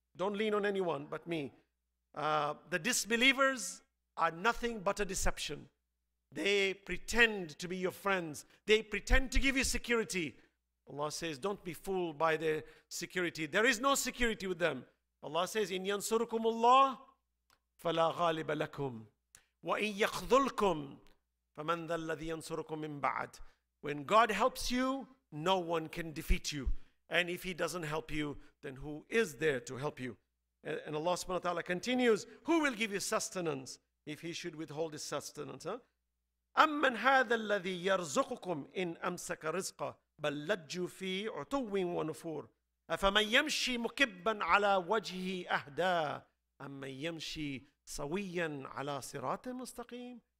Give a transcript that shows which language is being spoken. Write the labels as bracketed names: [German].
[English] Don't lean on anyone but me. The disbelievers are nothing but a deception. They pretend to be your friends. They pretend to give you security. Allah says, don't be fooled by their security. There is no security with them. Allah says, [Arabic] إِنْ يَنْصُرُكُمُ اللَّهِ فَلَا غَالِبَ لَكُمْ وَإِنْ يَخْذُلْكُمْ فَمَنْ ذَا الَّذِي يَنْصُرُكُمْ مِنْ بَعَدٍ. [English] When God helps you, no one can defeat you. And if he doesn't help you, then who is there to help you? And Allah subhanahu wa ta'ala continues, who will give you sustenance if he should withhold his sustenance? [Arabic] أَمَّنْ هَذَا الَّذِي يَرْزُقُكُمْ إِنْ أَمْسَكَ رِزْقًا بَلْ لَجُّوا فِي عُتُوٍ وَنُفُورٍ أَفَمَنْ يَمْشِي مُكِبًّا عَلَى وَجْهِهِ أَهْدَى أَمَّنْ يَمْشِي صَوِيًّا عَلَى صِرَاطٍ مُسْتَقِيمٍ.